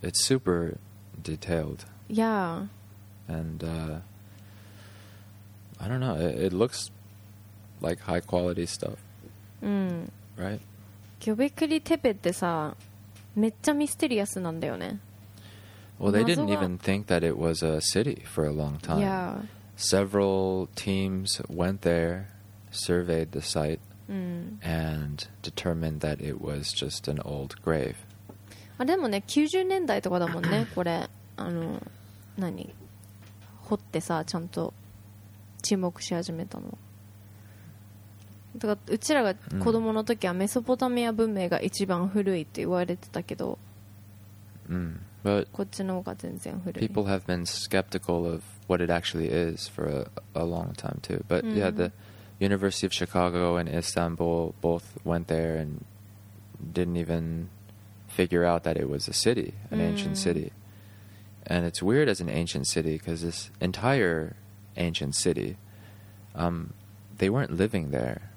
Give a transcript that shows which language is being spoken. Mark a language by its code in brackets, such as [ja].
[en] It's super detailed. Yeah. And I don't know. It looks like high quality stuff. Right. [ja] ギョベクリテペってさ、めっちゃミステリアスなんだよね。 [en] Well, they didn't even think that it was a city for a long time. Yeah. Several teams went there, surveyed the site, and determined that it was just an old grave. [ja] あ、でもね、90年代とかだもんね、これ。あの、何？掘ってさ、ちゃんと注目し始めたの。だからうちらが子供の時はメソポタミア文明が一番古いって言われてたけど、 [en] But [ja] こっちの方が全然古い。 [en] People have been skeptical of what it actually is for a long time too. But yeah, the University of Chicago and Istanbul both went there and didn't even figure out that it was a city, an ancient city. And it's weird as an ancient city because this entire ancient city, they weren't living there.